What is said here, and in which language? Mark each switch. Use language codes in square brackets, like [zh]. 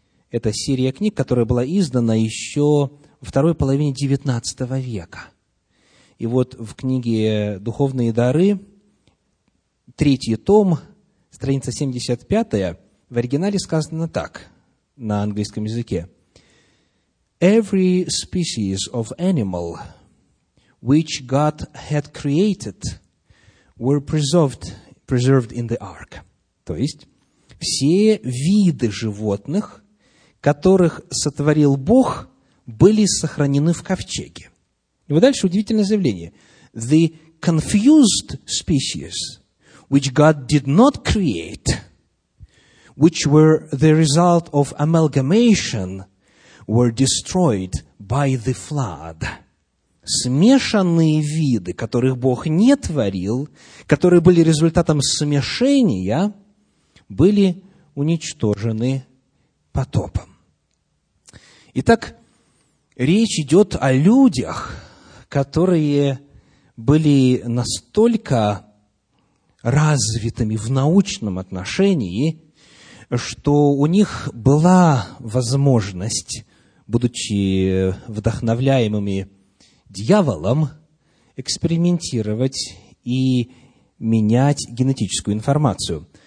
[ru] Это серия книг, которая была издана еще во второй половине XIX века. И вот в книге «Духовные дары», третий том, страница 75, в оригинале сказано так, на английском языке. [en] «Every species of animal, which God had created, were preserved in the ark». [ru] То есть, все виды животных, которых сотворил Бог, были сохранены в ковчеге. И вот дальше удивительное заявление. [en] «The confused species, which God did not create, which were the result of amalgamation, were destroyed by the flood». [ru] Смешанные виды, которых Бог не творил, которые были результатом смешения, были уничтожены потопом. Итак, речь идет о людях, которые были настолько развитыми в научном отношении, что у них была возможность, будучи вдохновляемыми дьяволом, экспериментировать и менять генетическую информацию.